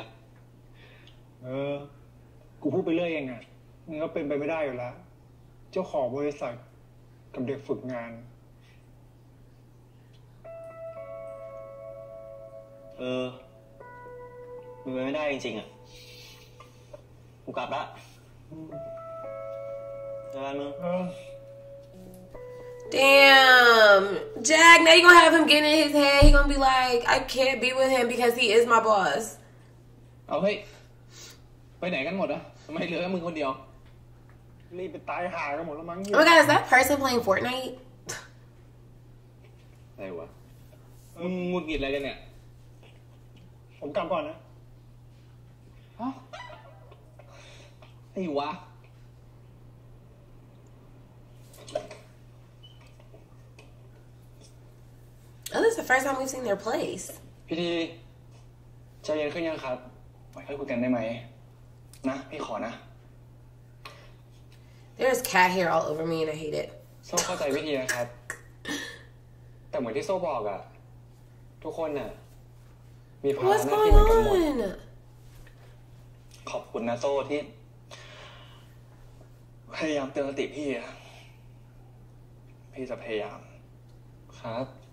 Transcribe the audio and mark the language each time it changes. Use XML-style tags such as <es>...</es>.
<th>คเออกูพูดไปเรื่อยเองอ่ะมันก็เป็นไปไม่ได้อยู่แล้วเจ้าของบริษัทกับเด็กฝึกงาน เออมันไปไม่ได้จริงๆอ่ะกูกลับละจะไปมึง</th> <en>Damn Jack now you gonna have him getting in his head he gonna be like I can't be with him because he is my boss</en> <th>เอาเฮ้ยไปไหนกันหมดอ่ะทำไมเหลือแค่มึงคนเดียว</th> <en>Oh my god, is that person playing Fortnite?</en> <th>ไหนวะ มึงงุดหงิดอะไรกันเนี่ยผมกลับก่อนนะฮะไอ้วะ</th> <en>Oh, this is the first time we've seen their place.</en> <th>พี่ดีใจเย็นขึ้นยังครับไว้ค่อยคุยกันได้ไหมนะพี่ขอนะ</th> <en>There's cat hair all over me and I hate it.</en> <th>โซ่เข้าใจวิธีนะครับแต่เหมือนที่โซ่บอกอะทุกคนน่ะมีภา ระหน้าที่เหมือนกันหมด ขอบคุณนะโซ่ที่พยายามเตือนสติพี่อะพี่จะพยายามครับ</th>